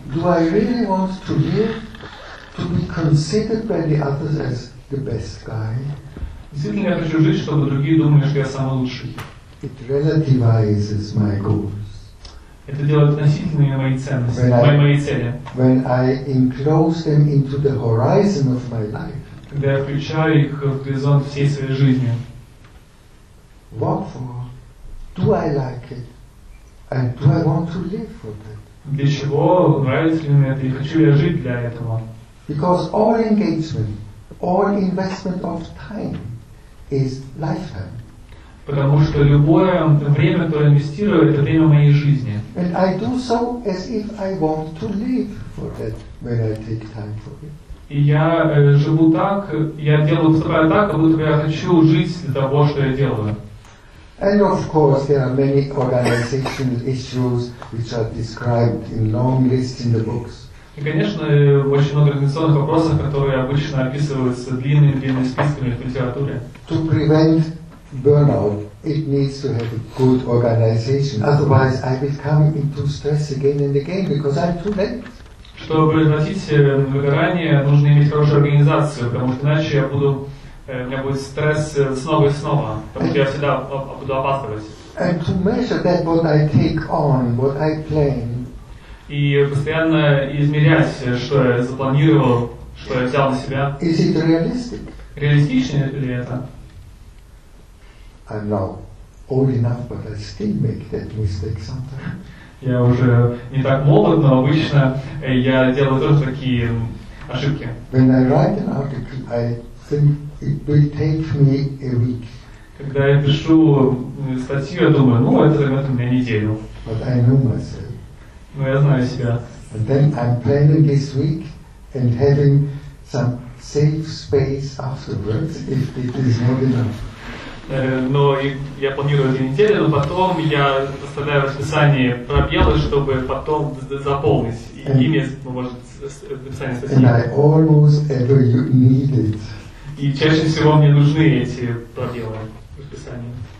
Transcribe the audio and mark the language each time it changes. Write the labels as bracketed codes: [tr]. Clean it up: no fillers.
[en] Do I really want to live to be considered by the others as the best guy? [ru] Действительно, я хочу жить, чтобы другие думали, что я самый лучший. [en] It relativizes my goals. [ru] Это делает относительными мои ценности, мои цели. [en] When I enclose them into the horizon of my life. [ru] Когда я включаю их в горизонт всей своей жизни. [en] What for? Do I like it? And do I want to live for that? [ru] Для чего? Нравится ли мне это? И хочу ли я жить для этого? [en] Because all engagement, all investment of time is lifetime. [ru] Потому что любое время, которое инвестирую, это время моей жизни. [en] And I do so as if I want to live for that when I take time for it. [ru] И я живу так, я делаю поступаю так, как будто я хочу жить для того, что я делаю. [en] And of course, there are many organizational issues which are described in long lists in the books. [ru] И, конечно, очень много организационных вопросов, которые обычно описываются длинными списками в литературе. [en] To prevent burnout, it needs to have a good organization. Otherwise, I will come into stress again and again because I'm too late. [ru] Чтобы предотвратить выгорание, нужно иметь хорошую организацию, потому что иначе я буду у меня будет стресс снова и снова, потому что я всегда буду опаздывать. [en] And to measure that what I take on, what I plan. [ru] И постоянно измерять, что я запланировал, что я взял на себя. [en] Is it realistic? [ru] Реалистично ли это? [en] I'm now old enough, but I still make that mistake sometimes. [ru] Я уже не так молод, но обычно я делаю тоже такие ошибки. [en] When I write an article, I think it will take me a week. [ru] Когда я пишу статью, я думаю, ну, это займет у меня неделю. [en] But I know myself. [ru] Но я знаю себя. [en] And then I'm planning this week and having some safe space afterwards if it is not enough. [ru] Но я планирую две недели, но потом я оставляю в расписании пробелы, чтобы потом заполнить [en] and, [ru] ими, может, написание статьи. [en] And I almost ever need it. [ru] И чаще всего мне нужны эти пробелы в расписании.